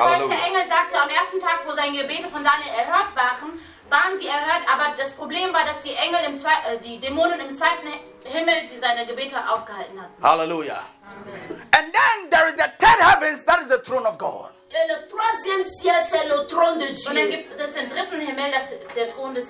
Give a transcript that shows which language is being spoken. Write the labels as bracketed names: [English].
[German] heißt, der Engel sagte, am ersten Tag, wo seine Gebete von Daniel erhört waren, waren sie erhört, aber das Problem war, dass die Engel im die Dämonen im zweiten Himmel die seine Gebete aufgehalten hatten. Halleluja. [English] And then there is the third heavens, that is the throne of God. [French] Et le troisième ciel, c'est le trône de Dieu. [German] Und dann gibt es den dritten Himmel, das der Thron des